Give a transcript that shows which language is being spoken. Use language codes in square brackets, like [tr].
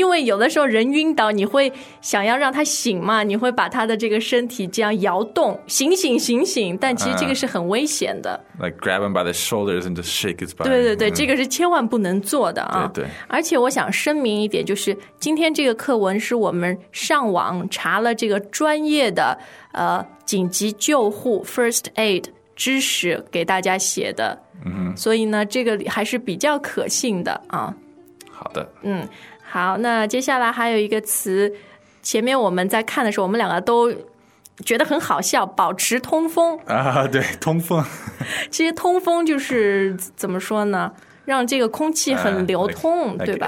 [zh] 然后这里我们说的摇它就是因为有的时候人晕倒你会想要让它醒嘛, 你会把它的这个身体这样摇动,醒醒醒醒, 但其实这个是很危险的。 [en] Like grab him by the shoulders and just shake his body. [zh] 对对对, 这个是千万不能做的啊。对对。而且我想声明一点, 就是今天这个课文是我们上网查了这个专业的 紧急救护 first aid 知识给大家写的。所以呢这个还是比较可信的啊。好的。好，那接下来还有一个词，前面我们在看的时候我们两个都觉得很好笑，保持通风啊。对，通风。其实通风就是怎么说呢，让这个空气很流通，对吧？